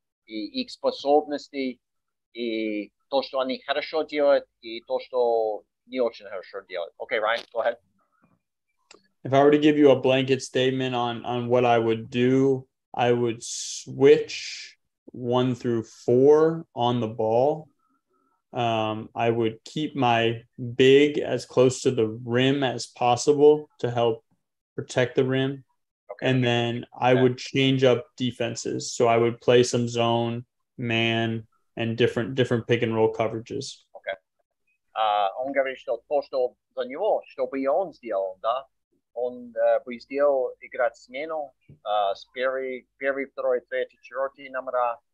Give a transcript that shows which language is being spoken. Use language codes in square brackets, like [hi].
[uk] І їх способності, і то, що вони хорошо ділять, і то, що не дуже хорошо ділять. Окей, [en] Райан, go ahead. If I were to give you a blanket statement on what I would do, I would switch 1 through 4 on the ball. I would keep my big as close to the rim as possible to help protect the rim. Okay. And then I would change up defenses. So I would play some zone, man, and different pick and roll coverages. Okay. [ru] Он говорит, что то, что за него, чтобы он сделал, да? Он бы сделал играть смену с первой, второй, третьей, четвертой номера.